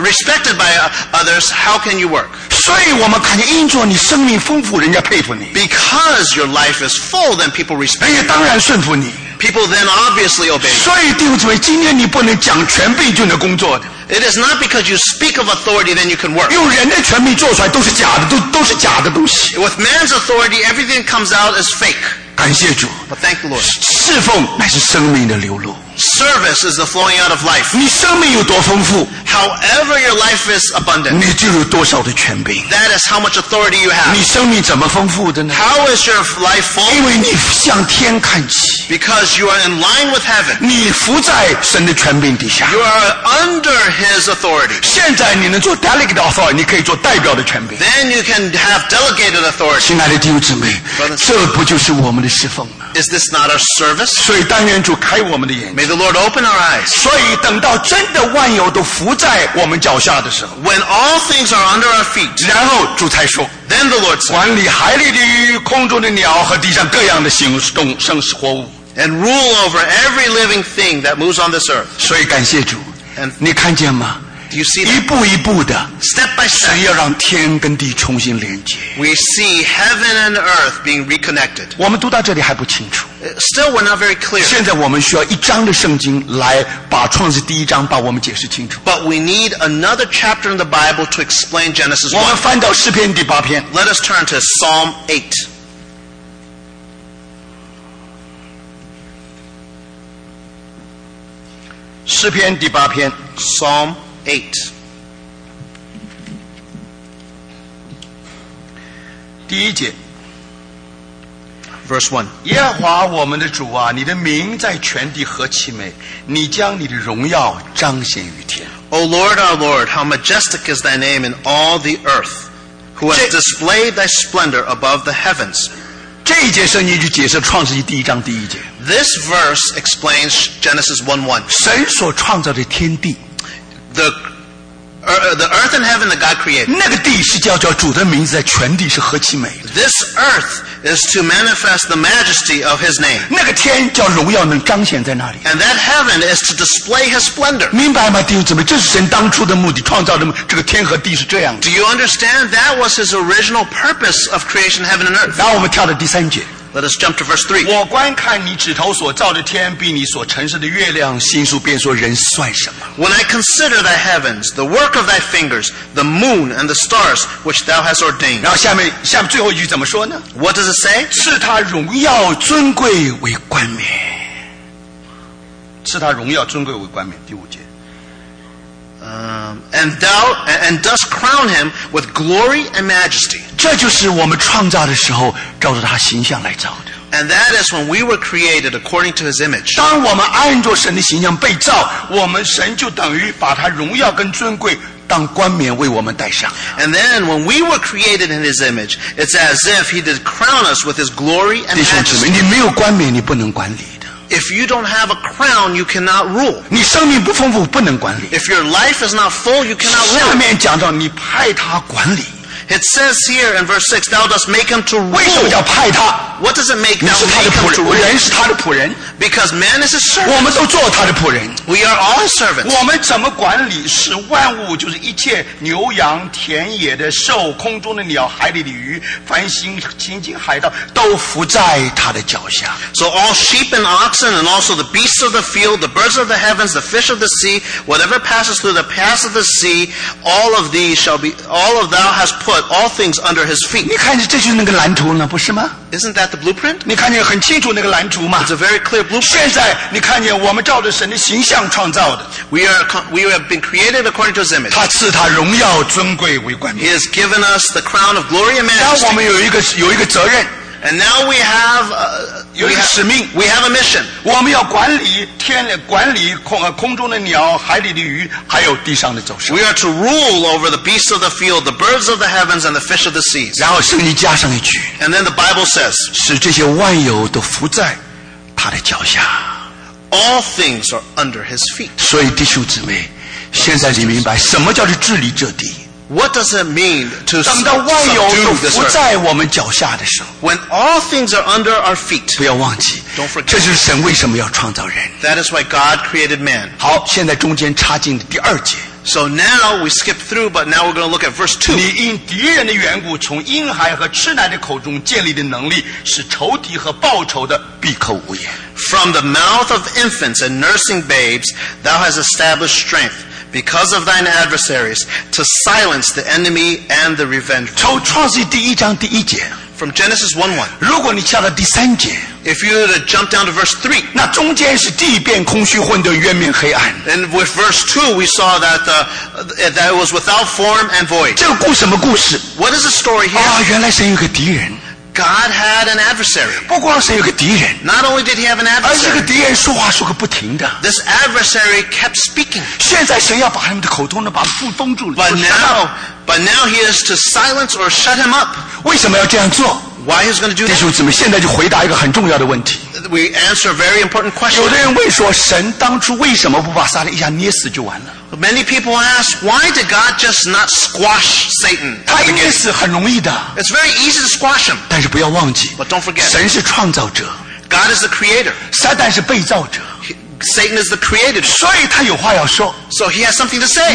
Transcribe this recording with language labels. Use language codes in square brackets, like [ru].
[en] Respected by others, how can you work? [zh] 所以我们看见因着你生命丰富, [en] because your life is full, then people respect you. [zh] 当然顺服你。 [en] People then obviously obey you. [zh] 所以弟兄姊妹, 今天你不能讲权柄就能工作的。 [en] It is not because you speak of authority then you can work. [zh] 用人的权柄做出来都是假的, 都是假的东西。 [en] With man's authority, everything comes out as fake. [zh] 感谢主, [en] but thank the Lord. [zh] 侍奉乃是生命的流露。 [en] Service is the flowing out of life. [zh] 你生命有多丰富, [en] however your life is abundant, [zh] 你就有多少的权柄, [en] that is how much authority you have. [zh] 你生命怎么丰富的呢? [en] How is your life full? [zh] 因为你向天看起, [en] because you are in line with heaven. [zh] 你伏在神的权柄底下, [en] you are under His authority. [zh] 现在你能做 [en] delegate authority, [zh] 你可以做代表的权柄, [en] then you can have delegated authority. [zh] 亲爱的弟兄姊妹, 这不就是我们的侍奉吗? [en] Is this not our service? [zh] 所以当愿主开我们的眼睛。 [en] May the Lord open our eyes. [zh] 所以等到真的万有都伏在我们脚下的时候, [en] when all things are under our feet, [zh] 然后主才说, [en] then the Lord said, [zh] 管理海里的鱼, 空中的鸟和地上各样的生死活物, [en] and rule over every living thing that moves on this earth. [zh] 所以感谢主, 你看见吗? [en] Do you see that? [zh] 一步一步的, [en] step by step, [zh] 神要让天跟地重新连接, [en] we see heaven and earth being reconnected. [zh] 我们读到这里还不清楚, [en] still we're not very clear. [zh] 现在我们需要一章的圣经来把创世第一章把我们解释清楚, [en] but we need another chapter in the Bible to explain Genesis 1. [zh] 我们翻到诗篇第八篇, [en] let us turn to Psalm 8. [zh] 诗篇第八篇 [en] Psalm 8 [zh] 第一节 [en] Verse 1 [zh] 耶和华我们的主啊你的名在全地何其美你将你的荣耀彰显于天 [en] O Lord, our Lord, how majestic is thy name in all the earth who has displayed thy splendor above the heavens [zh] 这一节圣经就解释创世纪第一章第一节 [en] This verse explains Genesis 1:1 [zh] 神所创造的天地 [en] The earth and heaven that God created. [zh] 那个地是叫主的名字在全地是何其美。 [en] This earth is to manifest the majesty of His name. [zh] 那个天叫荣耀能彰显在那里。 [en] And that heaven is to display His splendor. [zh] 明白吗，弟兄姊妹？这是神当初的目的，创造的这个天和地是这样的。 [en] Do you understand that was His original purpose of creation, heaven and earth? [zh] 然后我们跳到第三节。 [en] Let us jump to verse 3. [zh] 我观看你指头所造的天，比你所陈设的月亮星宿，便说人算什么。 [en] When I consider thy heavens, the work of thy fingers, the moon and the stars which thou hast ordained. [zh] 然后下面最后一句怎么说呢？ [en] What does it say? [zh] 赐他荣耀尊贵为冠冕。赐他荣耀尊贵为冠冕，第五节。 [en] And dost crown him with glory and majesty. [zh] 这就是我们创造的时候照着他形象来造的。 [en] And that is when we were created according to his image. [zh] 当我们按着神的形象被造，我们神就等于把他荣耀跟尊贵当冠冕为我们戴上。 [en] And then when we were created in his image, it's as if he did crown us with his glory and majesty. [zh] 弟兄姊妹，你没有冠冕，你不能管理。 [en] If you don't have a crown, you cannot rule. [zh] 你生命不丰富，不能管理。 [en] If your life is not full, you cannot rule. [zh] 下面讲到你派他管理。 [en] It says here in verse 6, thou dost make him to rule. [zh] 为什么叫派他？ [en] What does it make thou make him to rule? [zh] 人是他的仆人。 [en] Because man is a servant. [zh] 我们都做他的仆人。 [en] We are all his servants. [zh] 我们怎么管理是万物，就是一切牛羊、田野的兽、空中的鸟、海里的鱼、凡行行经海道，都伏在他的脚下。 [en] So all sheep and oxen, and also the beasts of the field, the birds of the heavens, the fish of the sea, whatever passes through the paths of the sea, all of thou hast put. But all things under his feet. [zh] 你看，这就是那个蓝图呢，不是吗？ [en] Isn't that the blueprint? [zh] 你看见很清楚那个蓝图吗？ [en] It's a very clear blueprint. [zh] 现在你看见我们照着神的形象创造的。 [en] We have been created according to his image. [zh] 他赐他荣耀尊贵为冠冕。 [en] He has given us the crown of glory and majesty. [zh] 那我们有一个责任。 [en] And now we have we have a mission. [zh] 我们要管理天管理 空中的鸟海里的鱼还有地上的走兽。 [en] We are to rule over the beasts of the field, the birds of the heavens, and the fish of the seas. [zh] 然后圣经加上一句。 [en] And then the Bible says, [zh] 使这些万有都伏在他的脚下。 [en] All things are under his feet. [zh] 所以弟兄姊妹，现在你明白什么叫做治理这地。 [en] What does it mean to subdue this earth? When all things are under our feet, [zh] 不要忘记, [en] don't forget, [zh] 这就是神为什么要创造人。 [en] That is why God created man. [zh] 好，现在中间插进第二节。 [en] So now we skip through, but now we're going to look at verse 2. [zh] 你因敌人的缘故，从婴孩和吃奶的口中建立的能力，使仇敌和报仇的闭口无言。 [en] From the mouth of infants and nursing babes, thou hast established strength. Because of thine adversaries, to silence the enemy and the revenger. [zh] 从创世第一章第一节。 [en] From Genesis 1:1. [zh] 如果你跳到第三节。 [en] If you were to jump down to verse 3. [zh] 那中间是地变空虚混沌渊面黑暗。 [en] And with verse 2, we saw that it was without form and void. [zh] 这个故什么故事？ [en] What is the story here? [zh] 啊，原来神有个敌人。 [en] God had an adversary. [zh] 不光是有个敌人。 [en] Not only did he have an adversary. [zh] 而这个敌人说话说个不停的。 [en] This adversary kept speaking. [zh] 现在神要把他们的口中呢把他封住了。 [en] But now he is to silence or shut him up. [zh] 为什么要这样做？ [en] Why he's going to do that? [zh] 弟兄姊妹，现在就回答一个很重要的问题。 [en] We answer a very important question. [zh] 有的人问说，神当初为什么不把撒旦一下捏死就完了？ [en] Many people ask, why did God just not squash Satan? [zh] 他捏死很容易的。 [en] It's very easy to squash him. [zh] 但是不要忘记。 [en] But don't forget. [zh] 神是创造者。 [en] God is the creator. [zh] 撒旦是被造者。 [en] Satan is the creator. [zh] 所以他有话要说。 [en] So he has something to say.